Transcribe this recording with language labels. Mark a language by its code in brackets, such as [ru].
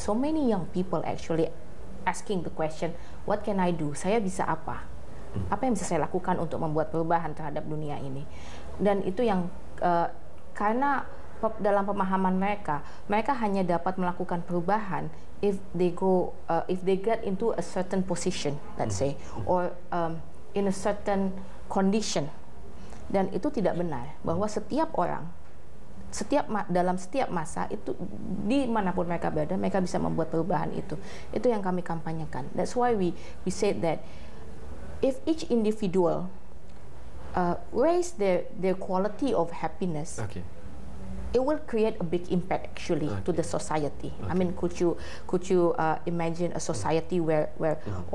[en] So many young people actually asking the question, what can I do? [id] Saya bisa apa? Apa yang bisa saya lakukan untuk membuat perubahan terhadap dunia ini? Dan itu yang karena dalam pemahaman mereka hanya dapat melakukan perubahan [en] if they get into a certain position, let's say, or in a certain condition. [id] Dan itu tidak benar, bahwa setiap orang, dalam setiap masa itu, dimanapun mereka berada, mereka bisa membuat perubahan itu. Itu yang kami kampanyekan. [en] That's why we said that if each individual raise their quality of happiness, okay, it will create a big impact actually, okay, to the society. Okay. I mean, could you imagine a society where mm-hmm.